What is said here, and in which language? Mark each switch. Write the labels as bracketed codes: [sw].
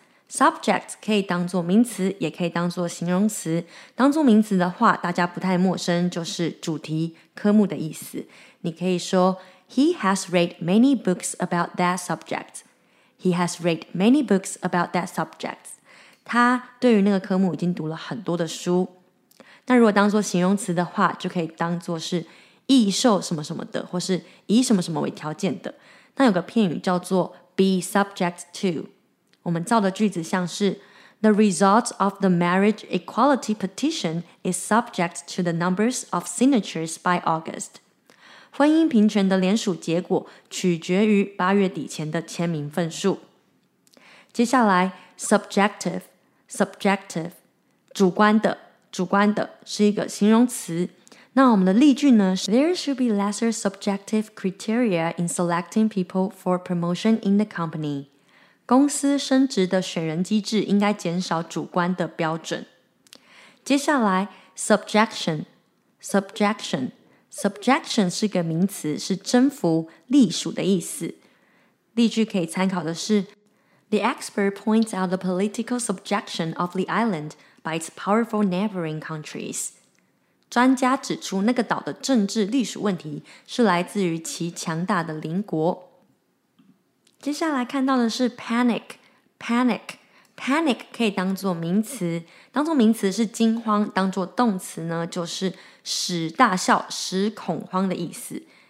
[zh] Subject 可以当作名词，也可以当作形容词。当作名词的话，大家不太陌生，就是主题、科目的意思。你可以说 [en] ，He has read many books about that subject. He has read many books about that subject. [zh] 他对于那个科目已经读了很多的书。那如果当作形容词的话，就可以当作是易受什么什么的，或是以什么什么为条件的。那有个片语叫做 be subject to。我们造的句子像是 [en] The result of the marriage equality petition is subject to the numbers of signatures by August. [zh] 婚姻平权的联署结果取决于八月底前的签名份数。接下来 subjective, 主观的。主观的是一个形容词。那我们的例句呢是 [en] There should be lesser subjective criteria in selecting people for promotion in the company. [zh] 公司升职的选人机制应该减少主观的标准。接下来 Subjection 是个名词，是征服、隶属的意思。例句可以参考的是 [en] The expert points out the political subjection of the islandby its powerful neighboring countries. [zh] 专家指出那个岛的政治隶属问题是来自于其强大的邻国。接下来看到的是 panic 可以当作名词，当作名词是惊慌，当作动词呢就是使大笑、使恐慌的意思。